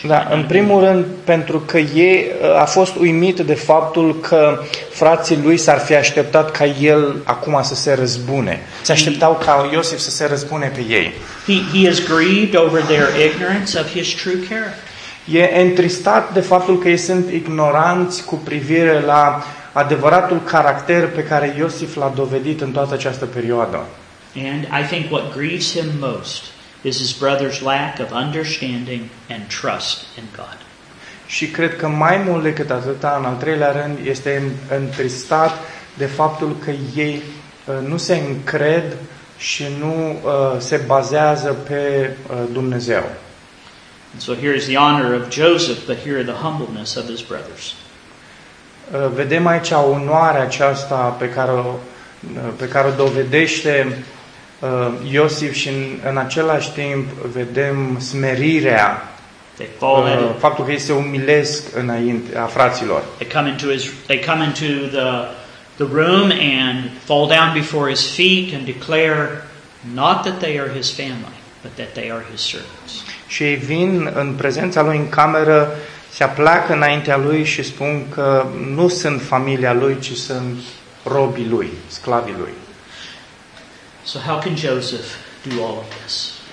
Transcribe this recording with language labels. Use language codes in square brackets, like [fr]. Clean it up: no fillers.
[ro] În primul rând pentru că ei a fost uimit de faptul că frații lui s-ar fi așteptat ca el acum să se răzbune. Se așteptau ca Iosif să se răzbune pe ei. [en] He is grieved over their ignorance of his true character. [ro] E întristat de faptul că ei sunt ignoranți cu privire la adevăratul caracter pe care Iosif l-a dovedit în toată această perioadă. [en] And I think what grieves him most is his brother's lack of understanding and trust in God. [ro] Și cred că mai mult decât atâta, în al treilea rând, este întristat de faptul că ei nu se încred și nu se bazează pe Dumnezeu. [en] And so here is the honor of Joseph, but here the humbleness of his brothers. [ro] Vedem aici onoarea aceasta pe care o dovedește Iosif și în același timp vedem smerirea, faptul că ei se umilesc înainte a fraților. [en] They come into the room and fall down before his feet and declare not that they are his family. but that they are his servants. [ro] Și ei vin în prezența lui în cameră, se apleacă înaintea lui și spun că nu sunt familia lui, ci sunt robii lui, sclavii lui. [en] So how can Joseph do all of this?